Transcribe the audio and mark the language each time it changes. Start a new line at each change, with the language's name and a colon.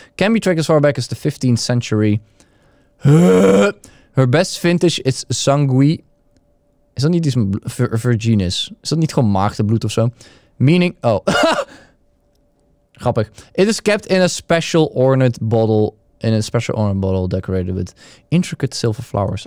English: Can be tracked as far back as the 15th century. Her best vintage is sangui.
Dutch: Is dat niet iets virginis? Is dat niet gewoon maagdenbloed of zo?
English: Meaning... Oh. Grappig. It is kept in a special ornate bottle. In a special ornate bottle decorated with intricate silver flowers.